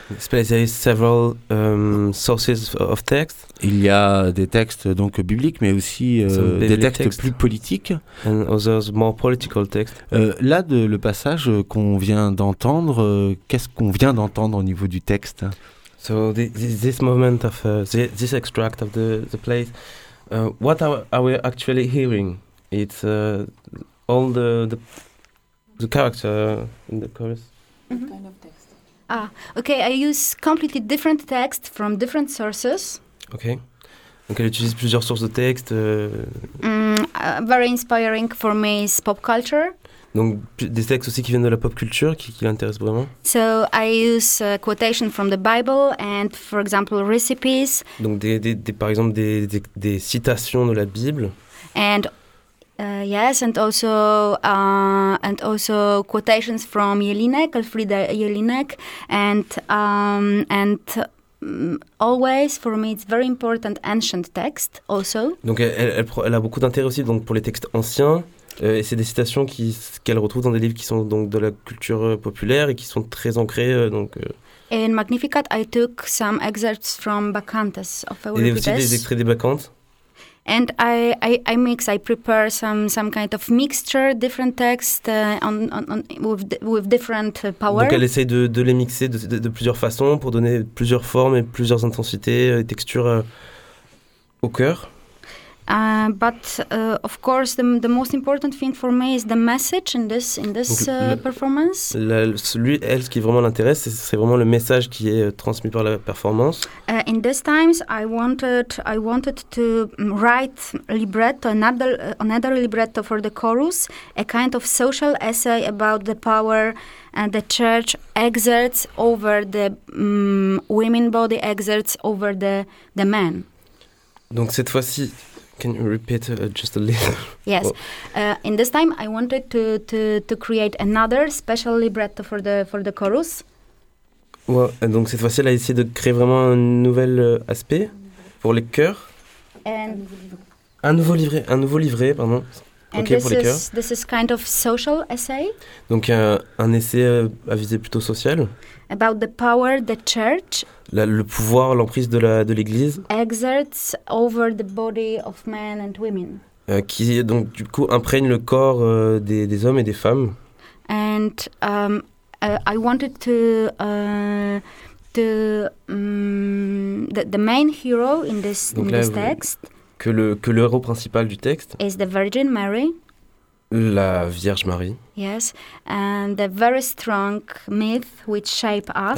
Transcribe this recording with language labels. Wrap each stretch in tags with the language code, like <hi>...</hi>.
<en>There is several sources of text.</en> <fr>Il y a des textes donc bibliques, mais aussi des textes plus politiques.</fr> <en>And others more political texts.</en> <fr>Là, de le passage qu'on vient d'entendre, qu'est-ce qu'on vient d'entendre au niveau du texte?</fr> <en>So this moment of this extract of the place. What are we actually hearing? It's all the character in the chorus. Mm-hmm. Kind of text. Ah, okay. I use completely different text from different sources.</en> <fr>Okay. Donc elle utilise plusieurs sources de texte.</fr> <en>Very inspiring for me is pop culture.</en> <fr>Donc des textes aussi qui viennent de la pop culture qui l'intéressent vraiment.</fr> <en>So I use quotations from the Bible and for example recipes.</en> <fr>Donc des citations de la Bible.</fr> <en>And yes, and also quotations from Jelinek, Elfriede Jelinek, and always for me it's very important ancient text also.</en> <fr>Donc elle a beaucoup d'intérêt aussi donc pour les textes anciens. Et c'est des citations qu'elle retrouve dans des livres qui sont donc de la culture populaire et qui sont très ancrées.</fr> <en>In Magnificat, I took some excerpts from Bacchantes of Euripides.</en> <fr>Il y a aussi des extraits des Bacchantes.</fr> <en>And I mix, I prepare some kind of mixture, different text with different power.</en> <fr>Donc elle essaye de les mixer de plusieurs façons pour donner plusieurs formes et plusieurs intensités et textures au cœur.</fr> <en>But of course, the most important thing for me is the message in this performance.</en> <fr>Elle, ce qui vraiment l'intéresse, c'est vraiment le message qui est transmis par la performance.</fr> <en>In these times, I wanted to write libretto, another libretto for the chorus, a kind of social essay about the power and the church exerts over the women body, exerts over the men.</en> <fr>Donc cette fois-ci.</fr> <en>Can you repeat just a little? Yes. In this time, I wanted to create another special libretto for the chorus.</en> <fr>Well, donc cette fois-ci, elle a essayé de créer vraiment un nouvel aspect pour les chœurs.</fr> <en>And</en> <fr>un nouveau livret, pardon.</fr> <en>And OK, this</en> <fr>pour les chœurs.</fr> <en>This is kind of social essay.</en> <fr>Donc un essai à visée plutôt sociale.</fr> <en>About the power the church.</en> <fr>Le pouvoir, l'emprise de l'Église.</fr> <en>Exerts over the body of men and women.</en> <fr>Qui donc du coup imprègne le corps des hommes et des femmes.</fr> <en>And I wanted to the main hero in this</en> <fr>donc</fr> <en>in</en> <fr>là,</fr> <en>this</en> <fr>vous,</fr> <en>text.</en> <fr>Que le héros principal du texte.</fr> <en>Is the Virgin Mary.</en> <fr>La Vierge Marie.</fr> <en>Yes, and a very strong myth which shape us.</en>